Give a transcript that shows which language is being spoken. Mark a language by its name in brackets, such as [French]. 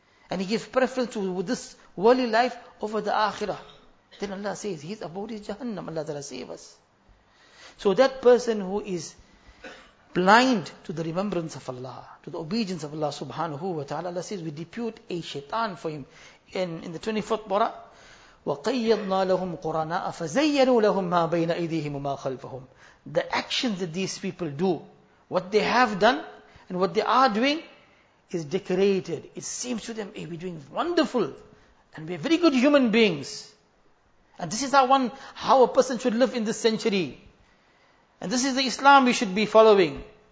[English] And he gives preference to this worldly life over the akhirah. Then Allah says, his abode is Jahannam. Allah ta'ala save us. So that person who is blind to the remembrance of Allah, to the obedience of Allah subhanahu wa ta'ala, Allah says, we depute a shaitan for him. In the 24th bara, [Arabic] وَقَيَّضْنَا لَهُمْ قُرَنَاءَ فَزَيَّنُوا لَهُمْ مَا بَيْنَ أَيْدِيهِمْ وَمَا خَلْفَهُمْ. [English] The actions that these people do, what they have done, and what they are doing, is decorated. It seems to them, hey, we're doing wonderful, and we're very good human beings. And this is how a person should live in this century. And this is the Islam we should be following.